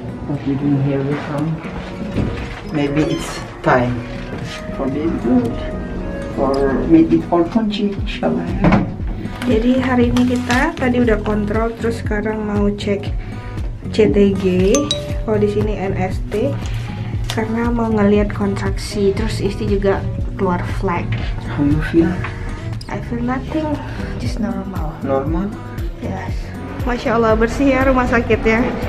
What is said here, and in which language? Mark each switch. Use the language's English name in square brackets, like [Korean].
[English] What are we doing here, Vikram? Maybe it's time for being good. For maybe for kunci, shall I? [Indonesian] Jadi hari ini kita tadi udah kontrol, terus sekarang mau cek CTG. Kalau di sini NST karena mau ngelihat kontraksi, terus istri juga keluar flag. [English] How you feel? I feel nothing, just normal. Normal? Yes. [Indonesian] Masya Allah bersih ya rumah sakitnya.